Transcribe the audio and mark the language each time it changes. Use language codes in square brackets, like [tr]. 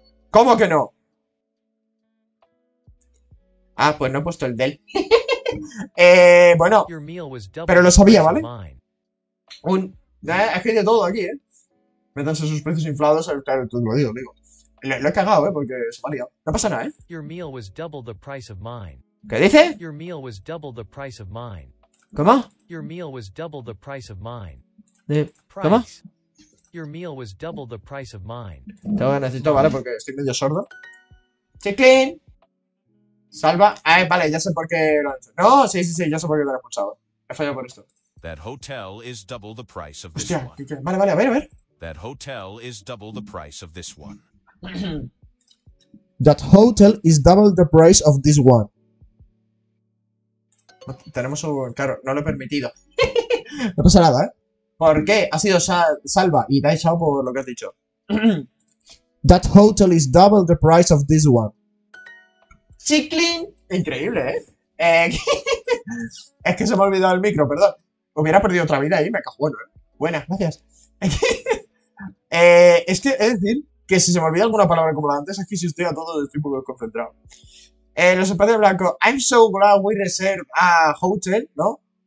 [es] ¿Cómo que no? Ah, pues no he puesto el del. Bueno, pero lo sabía, ¿vale? Es que hay de todo aquí, ¿eh? Métanse sus precios inflados, claro, tú lo digo, amigo. Lo he cagado, ¿eh? Porque se me ha liado. No pasa nada, ¿eh? [en] Your meal was double the price of mine. [es] ¿Qué dice? [en] Your meal was double the price of mine. [es] ¿Cómo? [en] Your meal was double the price of mine. [es] ¿Cómo? [en] Your meal was double the price of mine. [es] Te voy a necesitar, ¿vale? Porque estoy medio sordo. ¡Chiclin! Salva. Ah, vale, ya sé por qué lo han hecho. No, sí, ya sé por qué lo han expulsado. He fallado por esto. [en] That hotel is double the price of [es] hostia, [en] this one. [es] Vale, a ver. [en] That hotel is double the price of this one. That hotel is double the price of this one. [es] Tenemos un... Claro, no lo he permitido. No pasa nada, ¿eh? ¿Por qué? Ha sido salva y te ha echado por lo que has dicho. That hotel is double the price of this one. ¡Chiclin! Increíble, ¿eh? Es que se me ha olvidado el micro, perdón. Hubiera perdido otra vida ahí, me cago bueno, ¿eh? Buenas, gracias. Es que, es decir, que si se me olvida alguna palabra como la antes, es que si estoy a todo, estoy un poco desconcentrado. Los espacios blancos. [en] I'm so glad we reserved a hotel, [es] ¿no?